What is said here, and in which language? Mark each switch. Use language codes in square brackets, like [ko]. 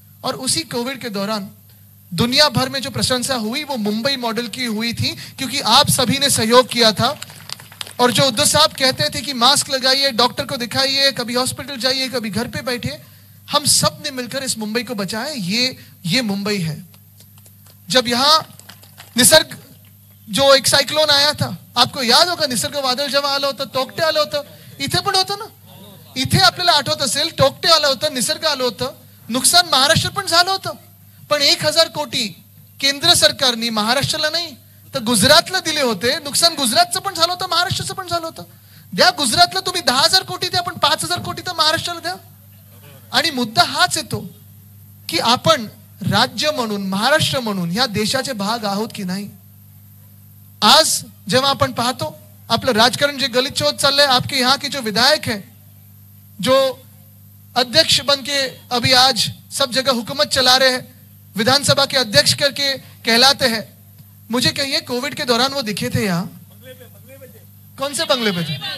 [hi] और उसी कोविड के दौरान दुनिया भर में जो प्रशंसा हुई वो मुंबई मॉडल की हुई थी, क्योंकि आप सभी ने सहयोग किया था. और जो उद्धव साहब कहते थे कि मास्क लगाइए, डॉक्टर को दिखाइए, कभी हॉस्पिटल जाइए, कभी घर पे बैठे, हम सब ने मिलकर इस मुंबई को बचाया. ये मुंबई है. जब यहां निसर्ग जो एक साइक्लोन आया था, आपको याद होगा [mr] निसर्ग वादल जब आलो होता, टोकटे आलो होता, इथे पण होता ना, इथे आपल्याला आठवत असेल, टोकटे आलो होता, निसर्ग आलो होता, नुकसान महाराष्ट्र पण झालं होतं, पण 1000 कोटी केंद्र सरकारनी महाराष्ट्राला नाही तर गुजरातला दिले होते, नुकसान गुजरातचं पण झालं होतं, महाराष्ट्राचं पण झालं होतं. द्या गुजरातला तुम्ही 10000 कोटी, द्या पण 5000 कोटी तर महाराष्ट्राला द्या. आणि मुद्दा हाच येतो की आपण राज्य म्हणून, महाराष्ट्र म्हणून ह्या देशाचे भाग आहोत की नाही. आज जेव्हा आपण पाहतो आपलं राजकारण जे गलिच्च होत चाललंय, [hi] आपके यहां के जो विधायक है, जो अध्यक्ष बन के अभी आज सब जगह हुकूमत चला रहे हैं, विधानसभा के अध्यक्ष करके कहलाते हैं, मुझे कहिए कोविड के दौरान वो दिखे थे यहां? कौन से बंगले पे थे?